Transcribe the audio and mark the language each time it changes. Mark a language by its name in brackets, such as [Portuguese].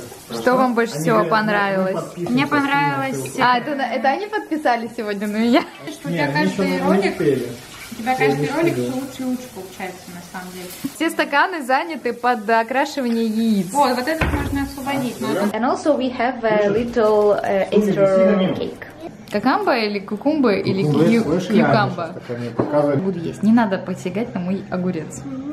[Russian] Что вам больше всего понравилось? Мне понравилось... А, это они подписали сегодня на меня? Нет, они что-то не успели. тебя каждый ролик все лучше и лучше получается, на самом деле. Все стаканы заняты под окрашивание яиц. О, вот этот можно освободить. [English] And also we have a little Easter cake. [Russian] Какамба или кукумба, или кьюкамба? Буду есть. Не надо потягать на мой огурец.